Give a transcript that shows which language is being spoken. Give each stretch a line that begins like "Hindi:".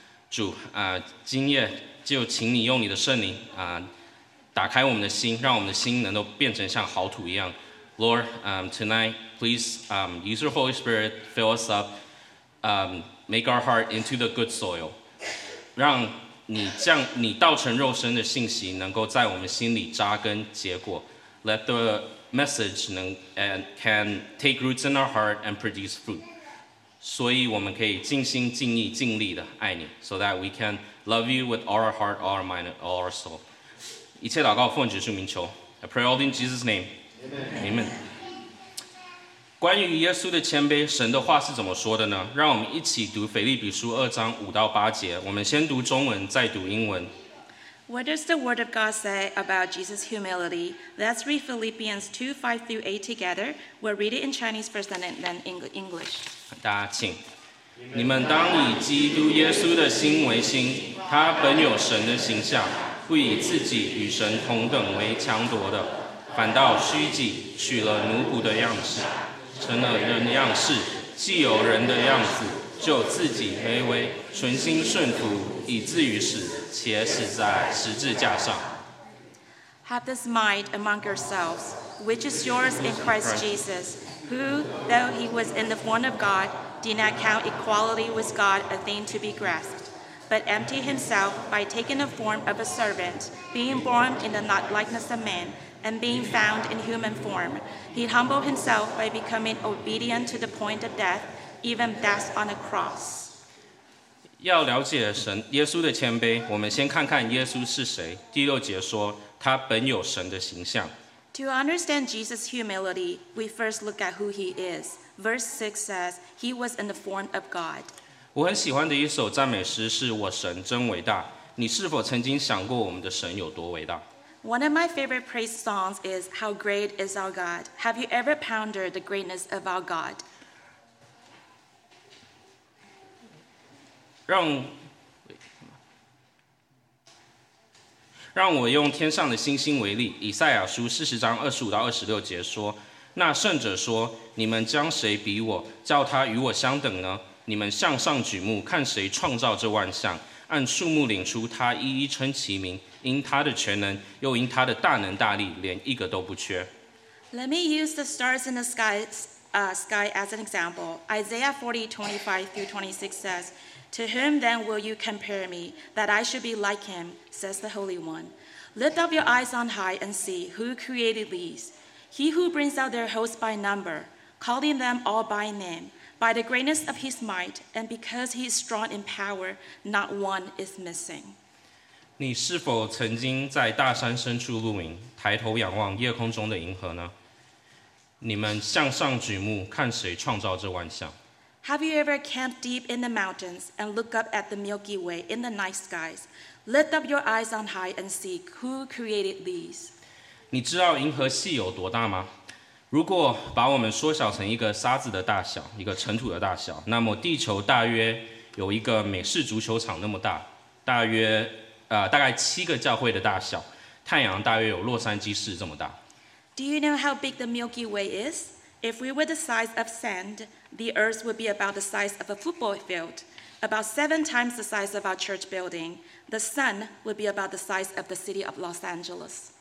Chinese: 主，今夜就请你用你的圣灵打开我们的心，让我们的心能够变成像好土一样。
English: Lord, tonight, please use your Holy Spirit, fill us up, make our heart into the good soil.
Chinese: 让你降你道成肉身的信息能够在我们心里扎根结果。
English: Let the message can take roots in our heart and produce fruit.
Chinese: 所以我们可以尽心尽意尽力的爱你
English: ，so that we can love you with all our heart, all our mind, all our soul.
Chinese: 一切祷告奉主耶稣名求。
English: I pray all in Jesus' name. Amen. Amen.
Chinese: 关于耶稣的谦卑，神的话是怎么说的呢？让我们一起读腓立比书二章五到八节。我们先读中文，再读英文。
English: What does the word of God say about Jesus' humility? Let's read Philippians 2, 5 through 8 together. We'll read it in Chinese first and then in English.
Chinese: 大家请。你们当以基督耶稣的心为心，他本有神的形象，不以自己与神同等为强夺的，反倒虚己，取了奴仆的样式，成了人的样式，既有人的样子，就自己卑微，存心顺服，以至于死，且死在十字架上。
English: Have this mind among yourselves, which is yours in Christ Jesus, who, though he was in the form of God, did not count equality with God a thing to be grasped, but emptied himself by taking the form of a servant, being born in the likeness of man, and being found in human form. He humbled himself by becoming obedient to the point of death,Even that's on a cross.
Chinese: 要了解神耶稣的谦卑，我们先看看耶稣是谁。第六节说，他本有神的形象。
English: To understand Jesus' humility, we first look at who he is. Verse 6 says, he was in the form of God.
Chinese: 我很喜欢的一首赞美诗是《我神真伟大》。你是否曾经想过我们的神有多伟大？
English: One of my favorite praise songs is, How Great is Our God. Have you ever pondered the greatness of our God?
Chinese: 让我用天上的星星为例，以赛亚书四十章二十五到二十六节说：“那圣者说，你们将谁比我，叫他与我相等呢？你们向上举目，看谁创造这万象，按数目领出他，一一称其名，因他的全能，又因他的大能大力，连一个都不缺。”
English: Let me use the stars in the sky as an example. Isaiah 40:25-26 says. To whom then will you compare me, that I should be like him, says the Holy One. Lift up your eyes on high and see who created these. He who brings out their hosts by number, calling them all by name, by the greatness of his might, and because he is strong in power, not one is missing.
Chinese: 你是否曾经在大山深处露营，抬头仰望夜空中的银河呢？你们向上举目，看谁创造这万象。
English: Have you ever camped deep in the mountains and looked up at the Milky Way in the night skies? Lift up your eyes on high and see who created these.
Chinese: 你知道银河系有多大吗？如果把我们缩小成一个沙子的大小，一个尘土的大小，那么地球大约有一个美式足球场那么大，大概七个教会的大小，太阳大约有洛杉矶市这么大。
English: Do you know how big the Milky Way is? If we were the size of sand, the earth would be about the size of a football field, about seven times the size of our church building. The sun would be about the size of the city of Los Angeles.